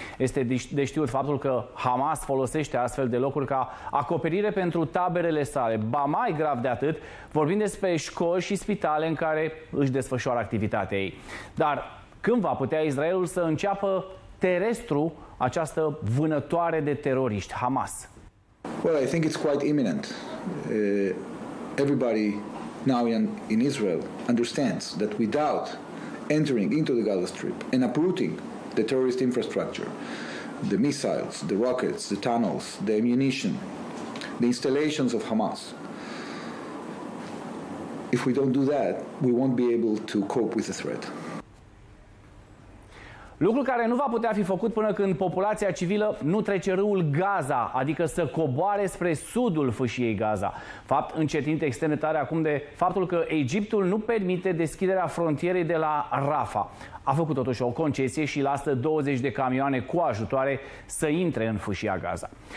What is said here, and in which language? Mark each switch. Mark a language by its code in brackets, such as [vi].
[ro] Este de știut faptul că Hamas folosește astfel de locuri ca acoperire pentru taberele sale. Ba mai grav de atât, vorbim despre școli și spitale în care își desfășoară activitatea ei. Dar când va putea Israelul să înceapă terestru această vânătoare de teroriști, Hamas? [en] Well, I think it's quite imminent. Everybody now in Israel understands that without entering into the Gaza Strip and uprooting the terrorist infrastructure, the missiles, the rockets, the tunnels, the ammunition, the installations of Hamas, if we don't do that, we won't be able to cope with the threat. [ro] Lucru care nu va putea fi făcut până când populația civilă nu trece râul Gaza, adică să coboare spre sudul fâșiei Gaza. Fapt încetinit extinde tare acum de faptul că Egiptul nu permite deschiderea frontierei de la Rafa. A făcut totuși o concesie și lasă 20 de camioane cu ajutoare să intre în fâșia Gaza.